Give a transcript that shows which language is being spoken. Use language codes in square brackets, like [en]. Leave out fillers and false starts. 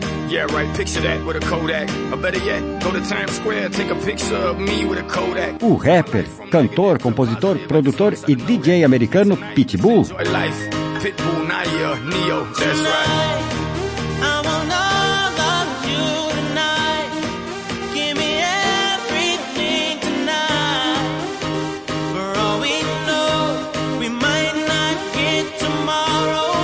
[en] Yeah, right, picture that with a Kodak. Or better yet, go to Times Square, take a picture of me with a Kodak. [pt] O rapper, cantor, compositor, produtor e DJ americano Pitbull. [en] Life, Pitbull, Naya, Neo, that's right. I want all of you tonight. Give me everything tonight. For all we know, we might not get tomorrow.